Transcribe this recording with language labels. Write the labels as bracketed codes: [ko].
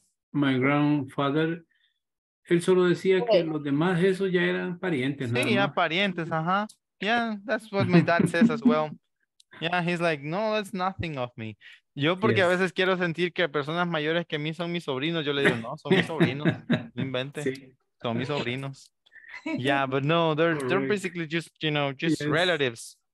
[en] My grandfather, [es] él solo decía que los demás esos ya eran parientes. Sí, ya parientes, ajá. [en] Yeah, that's what my dad says as well. Yeah, he's like, no, that's nothing of me. [es] Yo porque a veces quiero sentir que personas mayores que a mí son mis sobrinos. Yo le digo, no, son mis sobrinos. No invente. Sí. Son mis sobrinos. [en] Yeah, but no, they're basically just, you know, just relatives.